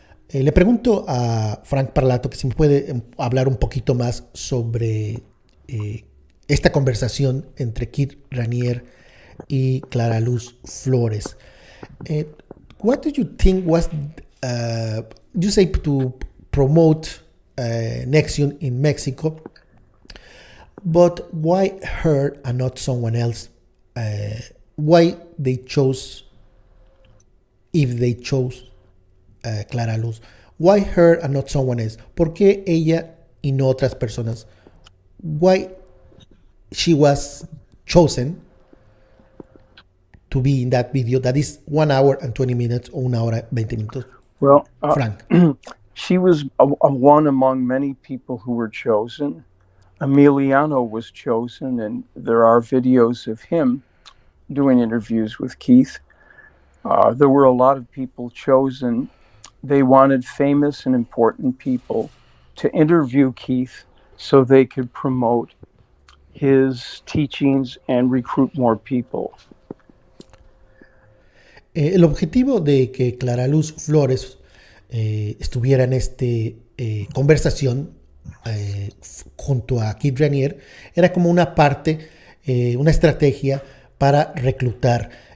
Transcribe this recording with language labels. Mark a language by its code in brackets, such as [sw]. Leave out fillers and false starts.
[es] Le pregunto a Frank Parlato que si me puede hablar un poquito más sobre esta conversación entre Keith Raniere y Clara Luz Flores. [en] What do you think was, you say to promote Nexium in Mexico, but why her and not someone else? Why they chose, if they chose Clara Luz, why her and not someone else? [es] ¿Por qué ella y no otras personas? [en] Why she was chosen to be in that video that is 1 hour and 20 minutes [es] o 1 hora 20 minutos, [en] Well, Frank. she was one among many people who were chosen. Emiliano was chosen, and there are videos of him doing interviews with Keith. There were a lot of people chosen. They wanted famous and important people to interview Keith so they could promote his teachings and recruit more people. [es] El objetivo de que Clara Luz Flores estuviera en esta conversación junto a Keith Raniere era como una parte, una estrategia para reclutar.